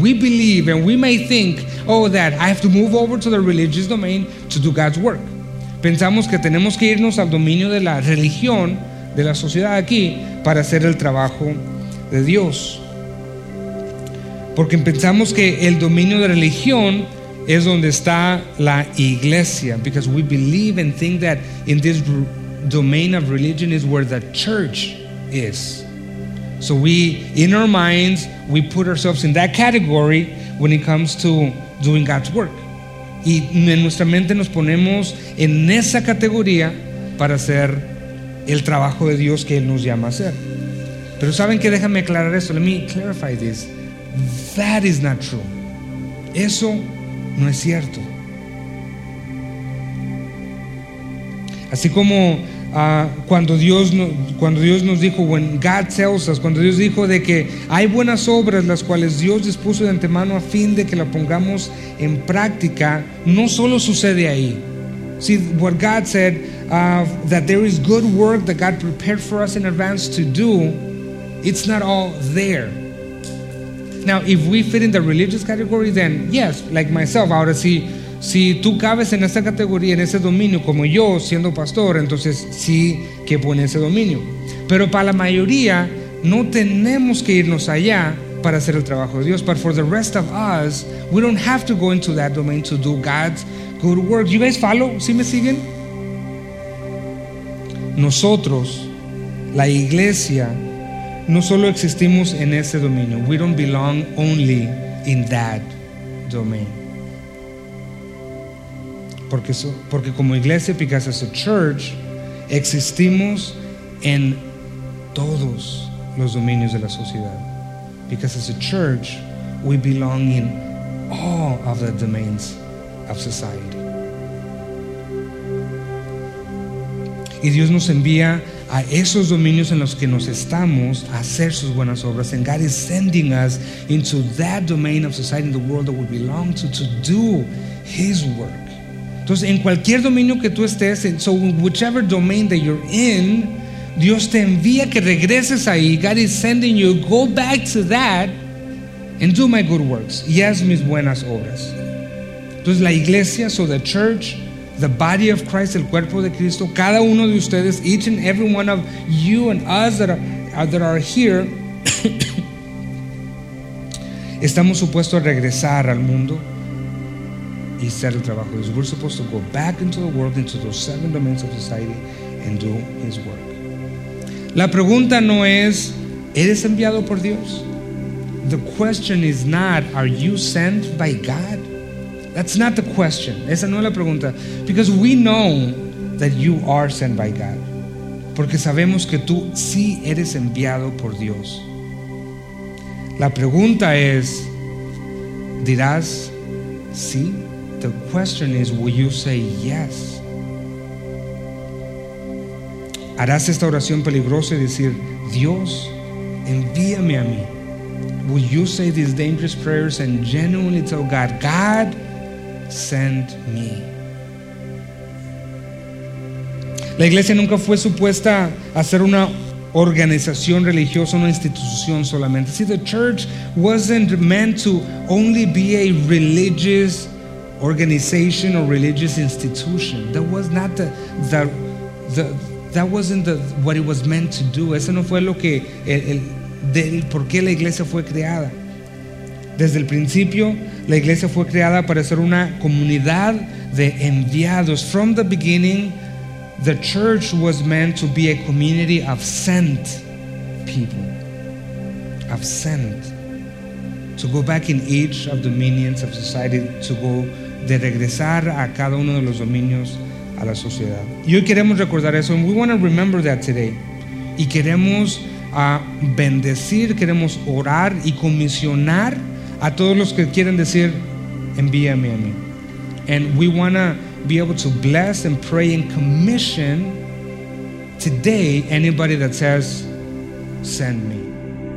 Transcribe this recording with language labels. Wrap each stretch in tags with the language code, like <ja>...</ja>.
<en>We believe and we may think, oh, that I have to move over to the religious domain to do God's work.</en> <es>Pensamos que tenemos que irnos al dominio de la religión, de la sociedad aquí, para hacer el trabajo de Dios. Porque pensamos que el dominio de la religión es donde está la iglesia.</es> <en>Because we believe and think that in this domain of religion is where the church is. So we, in our minds, we put ourselves in that category when it comes to doing God's work.</en> <es>Y en nuestra mente nos ponemos en esa categoría para hacer el trabajo de Dios que Él nos llama a hacer. Pero ¿saben qué? Déjame aclarar eso.</es> <en>Let me clarify this. That is not true.</en> <es>Eso no es cierto. Así como cuando Dios nos dijo,</es> <en>when God tells us,</en> <es>cuando Dios dijo de que hay buenas obras las cuales Dios dispuso de antemano a fin de que la pongamos en práctica, no solo sucede ahí.</es> <en>See, what God said, that there is good work that God prepared for us in advance to do, it's not all there. Now, if we fit in the religious category, then yes, like myself,</en> <es>ahora sí. Si tú cabes en esa categoría, en ese dominio, como yo siendo pastor, entonces sí que pone ese dominio. Pero para la mayoría no tenemos que irnos allá para hacer el trabajo de Dios.</es> <en>But for the rest of us, we don't have to go into that domain to do God's good work. You guys follow?</en> <es>¿Sí me siguen? Nosotros, la iglesia, no solo existimos en ese dominio.</es> <en>We don't belong only in that domain.</en> <es>Porque como iglesia,</es> <en>because as a church,</en> <es>existimos en todos los dominios de la sociedad.</es> <en>Because as a church, we belong in all of the domains of society.</en> <es>Y Dios nos envía a esos dominios en los que nos estamos a hacer sus buenas obras.</es> <en>And God is sending us into that domain of society in the world that we belong to do His work.</en> <es>Entonces, en cualquier dominio que tú estés,</es> <en>so whichever domain that you're in,</en> <es>Dios te envía que regreses ahí.</es> <en>God is sending you, go back to that and do my good works.</en> <es>Y haz mis buenas obras. Entonces, la iglesia,</es> <en>so the church, the body of Christ,</en> <es>el cuerpo de Cristo, cada uno de ustedes,</es> <en>each and every one of you and us that are here,</en> <es>estamos supuestos a regresar al mundo. Y hacer el trabajo de Dios.</es> <en>We're supposed to go back into the world, into those seven domains of society, and do His work.</en> <es>La pregunta no es, ¿eres enviado por Dios?</es> <en>The question is not, ¿are you sent by God? That's not the question.</en> <es>Esa no es la pregunta.</es> <en>Because we know that you are sent by God.</en> <es>Porque sabemos que tú sí eres enviado por Dios. La pregunta es, ¿dirás sí.</es> <en>The question is, will you say yes?</en> <es>¿Harás esta oración peligrosa y decir, Dios, envíame a mí?</es> <en>Will you say these dangerous prayers and genuinely tell God, God, send me?</en> <es>La iglesia nunca fue supuesta a ser una organización religiosa, una institución solamente.</es> <en>See, the church wasn't meant to only be a religious organization or religious institution. That was not what it was meant to do.</en> <es>Eso no fue lo que del por qué la iglesia fue creada. Desde el principio, la iglesia fue creada para ser una comunidad de enviados.</es> <en>From the beginning, the church was meant to be a community of sent people, of sent, to go back in each of the dominions of society, to go,</en> <es>de regresar a cada uno de los dominios a la sociedad. Y hoy queremos recordar eso,</es> <en>and we want to remember that today.</en> <es>Y queremos bendecir, queremos orar y comisionar a todos los que quieren decir, envíame a mí.</es> <en>And we want to be able to bless and pray and commission today anybody that says, send me.</en>